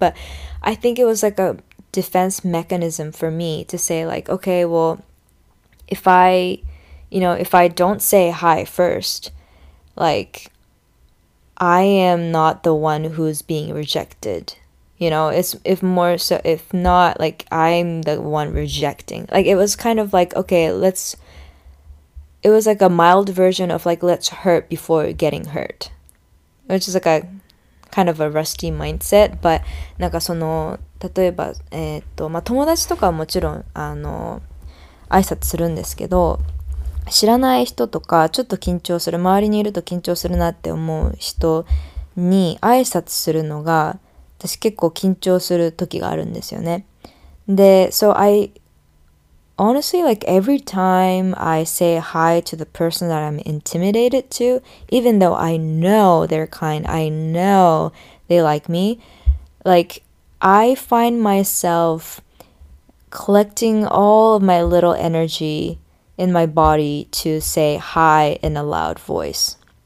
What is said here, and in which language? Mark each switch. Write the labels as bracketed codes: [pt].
[en] But I think it was like a defense mechanism for me to say like, okay, well, if I don't say hi first, like, I am not the one who's being rejected. You know, I'm the one rejecting. Like, it was kind of like, okay, it was like a mild version of like, let's hurt before getting hurt. Which is like a kind of a rusty mindset. [ja] But, なんかその、例えば、まあ、友達とかはもちろん、あの、挨拶するんですけど、知らない人とかちょっと緊張する、周りにいると緊張するなって思う人に挨拶するのが私結構緊張する時があるんですよね。 [en] で、so I honestly like every time I say hi to the person that I'm intimidated to, even though I know they're kind, I know they like me, like I find myself collecting all of my little energy in my body to say hi in a loud voice.